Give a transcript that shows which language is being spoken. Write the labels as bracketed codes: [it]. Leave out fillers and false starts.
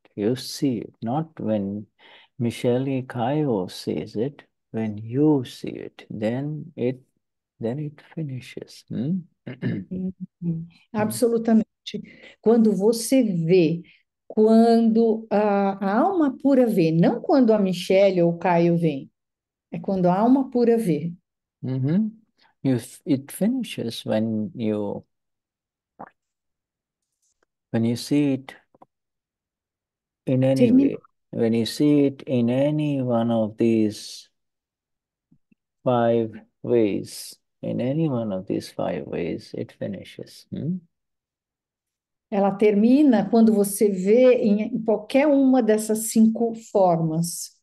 [en] You see it, not when Michele Kayo sees it, when you see it, then it finishes. [pt] Absolutamente. Quando você vê, quando a alma pura vê, não quando a Michele ou o Caio vem, é quando a alma pura vê. [en] It finishes when you see it. in any way, when you see it in any one of these five ways, in any one of these five ways, it finishes. Hmm? [pt] Ela termina quando você vê em qualquer uma dessas cinco formas.